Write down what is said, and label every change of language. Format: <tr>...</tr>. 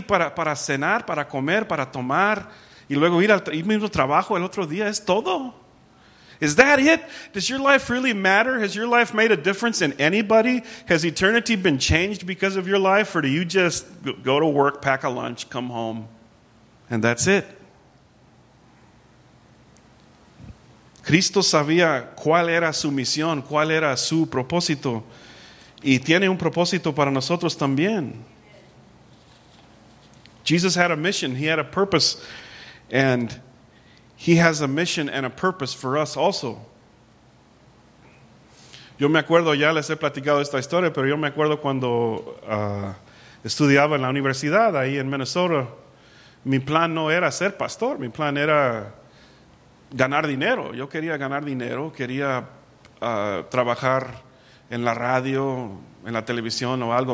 <es>¿Para cenar, para comer, para tomar y luego ir al mismo trabajo el otro día? ¿Es todo?</es> <en>Is that it? Does your life really matter? Has your life made a difference in anybody? Has eternity been changed because of your life? Or do you just go to work, pack a lunch, come home, and that's it?</en> <es>Cristo sabía cuál era su misión, cuál era su propósito. Y tiene un propósito para nosotros también.</es> <en>Jesus had a mission, he had a purpose, and he has a mission and a purpose for us also.</en> <es>Yo me acuerdo, ya les he platicado esta historia, pero yo me acuerdo cuando estudiaba en la universidad ahí en Minnesota, mi plan no era ser pastor, mi plan era ganar dinero. Yo quería ganar dinero, quería trabajar en la radio, en la televisión o algo.</es>